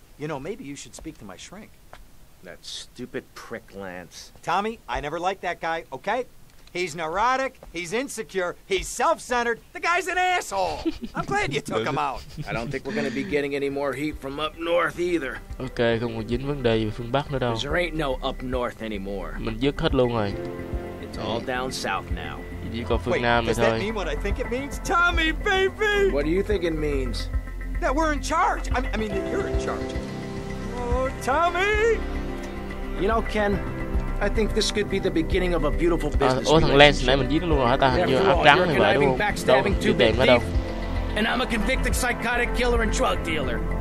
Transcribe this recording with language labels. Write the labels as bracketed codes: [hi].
[en] You know, maybe you should speak to my shrink. That stupid prick Lance. Tommy, I never liked that guy, okay? He's neurotic, he's insecure, he's self-centered. The guy's an asshole. I'm glad you took him out. I don't think we're going to be getting any more heat from up north either. [vi] Okay, không còn dính vấn đề về phương Bắc nữa đâu. [en] There ain't no up north anymore. [vi] Mình dứt hết luôn rồi. [en] It's all down south now. [vi] Chỉ còn phương [en] Wait, [vi] Nam [en] does [vi] thôi. [en] That mean what I think it means? Tommy, baby! What do you think it means? That we're in charge. I mean, that you're in charge. Oh, Tommy! You know, Ken... I think this could be the beginning of a beautiful business. [vi] Ôi thằng Lance nãy mình giết luôn rồi hả ta? Hình như áo trắng thì vậy đúng không? Đâu, chưa tìm ở đâu. [en] And I'm a convicted psychotic killer and drug dealer.